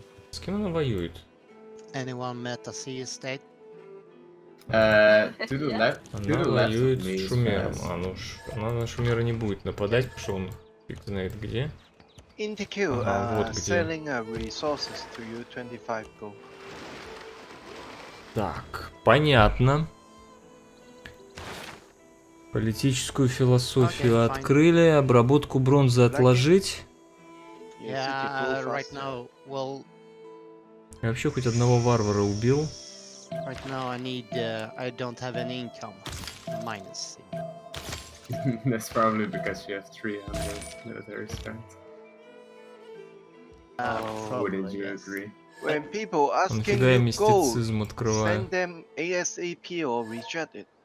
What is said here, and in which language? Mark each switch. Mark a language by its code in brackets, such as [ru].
[ru] С кем она воюет? [en] Anyone met a sea state? To the left. [ru] Она воюет с шумером. А ну ж, она на шумера не будет нападать, потому что он фиг знает где. [en] In the queue, [ru] вот где. [en] Selling resources to you 25 gold. [ru] Так, понятно. Политическую философию okay, открыли. Обработку бронзы отложить. [en] Yeah, right now, well... [ru] Я вообще хоть одного варвара убил. [en] Right now I need I don't have any income. Minus. That's probably because you have 300 military spent. Wouldn't you agree? When people asking you gold, send them ASAP or reject it.